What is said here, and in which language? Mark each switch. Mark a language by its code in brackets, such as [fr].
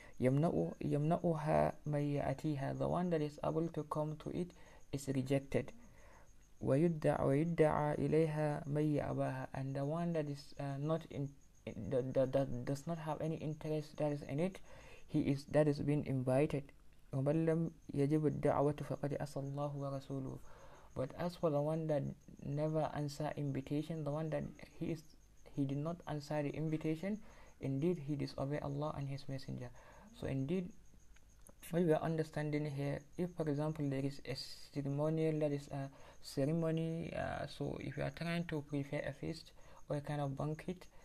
[ar] يمنعها من يأتيها, [en] the one that is able to come to it is rejected. [ar] ويدعى إليها من يأباها, [en] and the one that is not in the does not have any interest, that is in it, he is, that is being invited. [ar] ومن لم يجب الدعوة فقد أصلى الله ورسوله. [en] But as for the one that never answer invitation, the one that he did not answer the invitation, indeed he disobeyed Allah and His Messenger. So indeed, what we are understanding here, if for example there is a ceremonial, that is a ceremony, so if you are trying to prepare a feast or a kind of banquet,